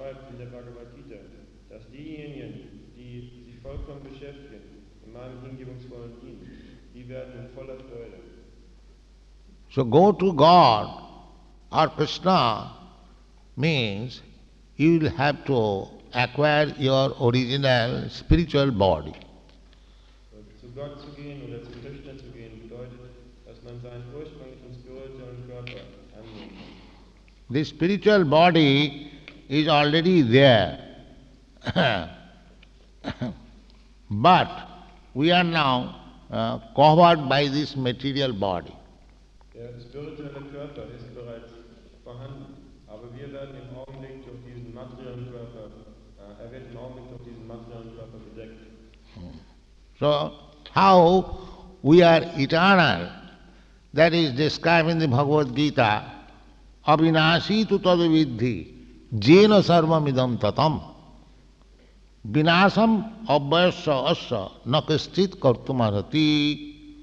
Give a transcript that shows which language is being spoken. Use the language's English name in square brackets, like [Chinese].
[German] In der Bhagavad Gita, dass diejenigen, die sich vollkommen beschäftigen in meinem hingebungsvollen Dienst, die werden in voller Freude. [English] So go to God or Krishna means you will have to acquire your original spiritual body. [German] So, zu Gott zu gehen oder zu Krishna zu gehen bedeutet, dass man seinen ursprünglichen spirituellen Körper annimmt. [English] The spiritual body is already there, but we are now covered by this material body. [German] Der spirituelle Körper ist bereits vorhanden, aber wir werden im Augenblick durch diesen materiellen Körper, er wird im Augenblick durch diesen materiellen Körper bedeckt. [English] So, how we are eternal, that is described in the Bhagavad Gita, [Sanskrit] avinashi tu tad viddhi. Jena sarvam idam tatam, vinasam abhyasya asya na kishchit kartum arhati.